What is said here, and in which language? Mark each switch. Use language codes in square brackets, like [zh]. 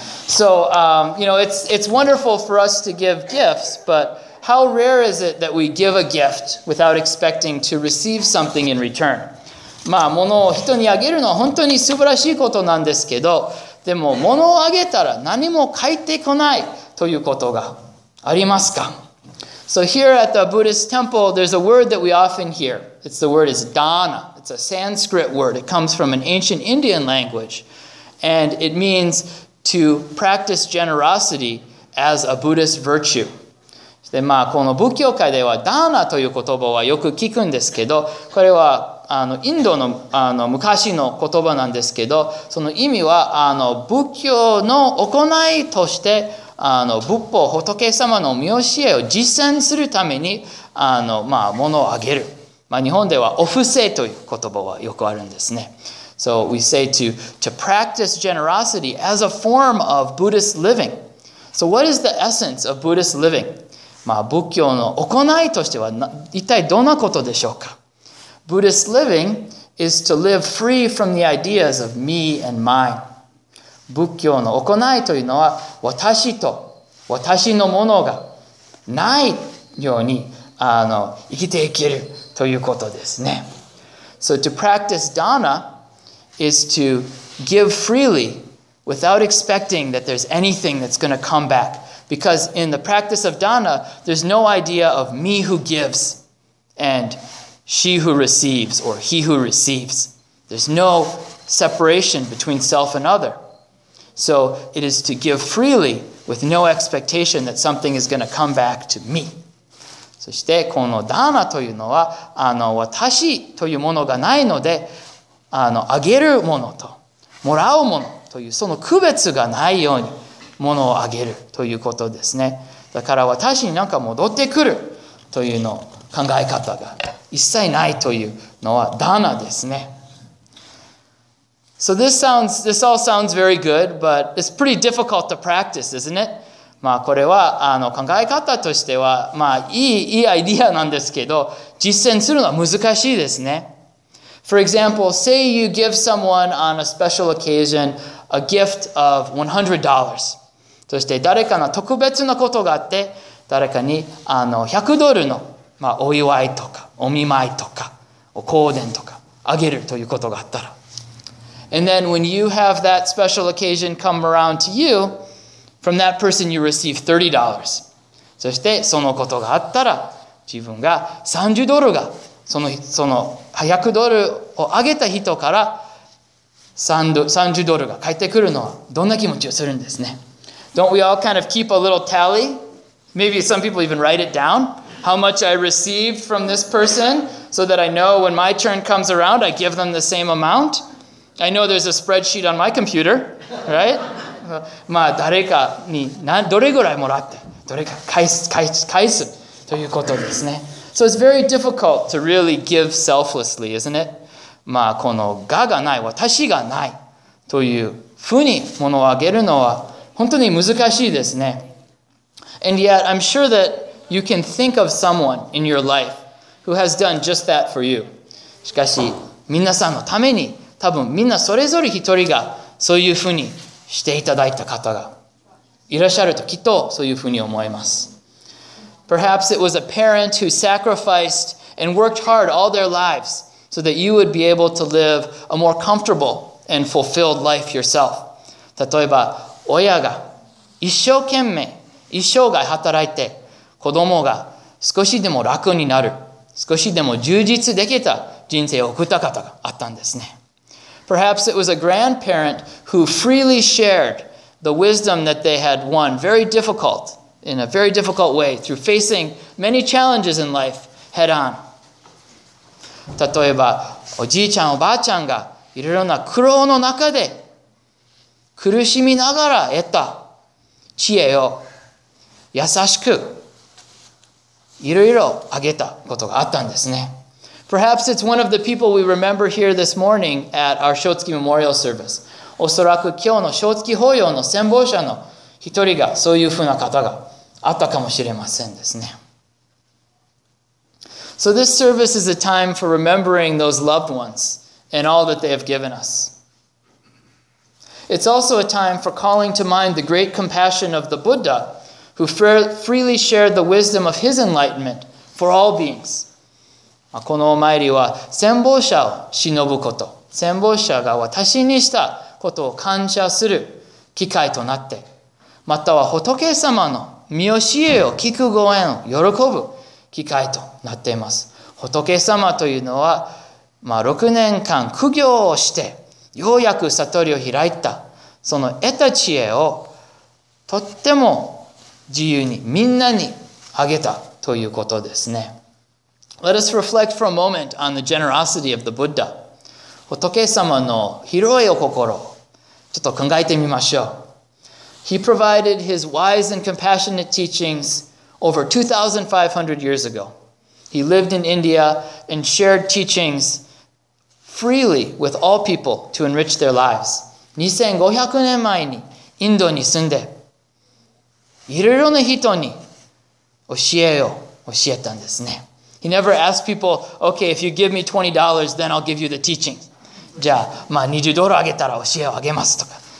[en] So, you know, it's wonderful for us to give gifts, but how rare is it that we give a gift without expecting to receive something in return? [ja] まあ、物を人にあげるのは本当に素晴らしいことなんですけど、でも物をあげたら何も返ってこないということがありますか? [en] So here at the Buddhist temple, there's a word that we often hear. It's the word is dana. It's a Sanskrit word. It comes from an ancient Indian language. And it means... To practice generosity as a Buddhist virtue. [ja] で、まあ、この仏教界では、ダーナという言葉はよく聞くんですけど、これは、インドの、昔の言葉なんですけど、その意味は、仏教の行いとして、仏法、仏様の見教えを実践するために、まあ、物をあげる。まあ、日本では、お布施という言葉はよくあるんですね。 [en] So we say to practice generosity as a form of Buddhist living. So what is the essence of Buddhist living? [ja] まあ仏教の行いとしては一体どんなことでしょうか? [en] Buddhist living is to live free from the ideas of me and mine. [ja] 仏教の行いというのは私と私のものがないように生きていけるということですね。 [en] So to practice dana,is to give freely without expecting that there's anything that's going to come back. Because in the practice of dana, there's no idea of me who gives and she who receives or he who receives. There's no separation between self and other. So it is to give freely with no expectation that something is going to come back to me. [ja] そしてこのダーナというのは、あの私というものがないので、あのあげるものともらうものというその区別がないようにものをあげるということですね。だから私になんか戻ってくるというの考え方が一切ないというのはダーナですね。 [en] So this all sounds very good, but it's pretty difficult to practice, isn't it? [ja] まあこれはあの考え方としてはまあいいアイディアなんですけど、実践するのは難しいですね。 [en] For example, say you give someone on a special occasion a gift of $100. [ja] そして誰かの特別なことがあって、誰かにあの100ドルのまあお祝いとかお見舞いとかお香典とかあげるということがあったら、 [en] And then when you have that special occasion come around to you, from that person you receive $30. [ja] そしてそのことがあったら、自分が30ドルが、その100ドルをあげた人から30ドルが返ってくるのはどんな気持ちをするんですね。 [en] Don't we all kind of keep a little tally? Maybe some people even write it down. How much I received from this person so that I know when my turn comes around I give them the same amount. I know there's a spreadsheet on my computer, right? [ja] まあ誰かにどれぐらいもらって、どれか返すということですね。 [en] So it's very difficult to really give selflessly, isn't it? [ja] まあこの我がない、私がないというふうにものをあげるのは本当に難しいですね。 [en] And yet, I'm sure that you can think of someone in your life who has done just that for you. [ja] しかし、皆さんのために多分みんなそれぞれ一人がそういうふうにしていただいた方がいらっしゃるときっとそういうふうに思います。 [en] Perhaps it was a parent who sacrificed and worked hard all their lives so that you would be able to live a more comfortable and fulfilled life yourself. [ja] 例えば親が一生懸命一生涯働いて子供が少しでも楽になる少しでも充実できた人生を送った方があったんですね。 [en] Perhaps it was a grandparent who freely shared the wisdom that they had won in a very difficult way through facing many challenges in life head on. [ja] 例えば、おじいちゃん、おばあちゃんがいろいろな苦労の中で苦しみながら得た知恵を優しくいろいろあげたことがあったんですね。 [en] Perhaps it's one of the people we remember here this morning at our Shotsuki Memorial Service. [ja] おそらく今日の Shotsuki 法要の先方者の一人がそういうふうな方があったかもしれませんですね。 [en] So this service is a time for remembering those loved ones and all that they have given us. It's also a time for calling to mind the great compassion of the Buddha who freely shared the wisdom of his enlightenment for all beings. [ja] このお参りは、先方者を忍ぶこと、先方者が私にしたことを感謝する機会となって、または仏様の御教えを聞くご縁を喜ぶ機会となっています。仏様というのは、まあ、6年間苦行をして、ようやく悟りを開いた、その得た知恵をとっても自由にみんなにあげたということですね。 [en] Let us reflect for a moment on the generosity of the Buddha. [ja] 仏様の広いお心をちょっと考えてみましょう。 [en] He provided his wise and compassionate teachings over 2,500 years ago. He lived in India and shared teachings freely with all people to enrich their lives. [ja] 2500年前にインドに住んで、いろいろな人に教えを教えたんですね。 [en] He never asked people, okay, if you give me $20, then I'll give you the teachings. [ja] じゃあ、まあ20ドルあげたら教えをあげますとか。